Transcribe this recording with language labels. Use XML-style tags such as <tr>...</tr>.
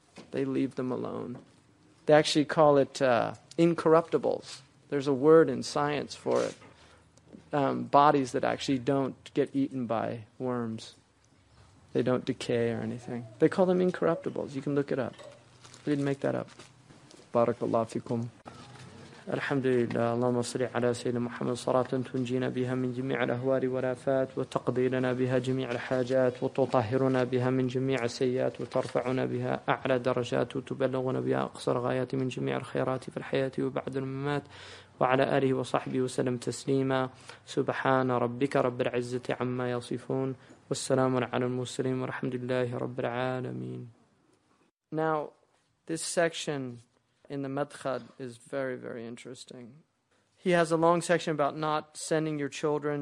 <en>They leave them alone. They actually call it incorruptibles. There's a word in science for it. Bodies that actually don't get eaten by worms. They don't decay or anything. They call them incorruptibles. You can look it up. We didn't make that up. Barakallahu fikum.</en> <ar>الحمد لله اللهم صل على سيدنا محمد صلاة تنجينا بها من جميع الأهوال والآفات وتقضي لنا بها جميع الحاجات وتطهرنا بها من جميع السيئات وترفعنا بها أعلى درجات وتبلغنا بها أقصى الغايات من جميع الخيرات في الحياة وبعد الممات وعلى آله وصحبه وسلم تسليما سبحان ربك رب العزة عما يصفون والسلام على المرسلين والحمد لله رب العالمين.</ar> <en>Now this section in the Madkhad is very, very interesting. He has a long section about not sending your children</en>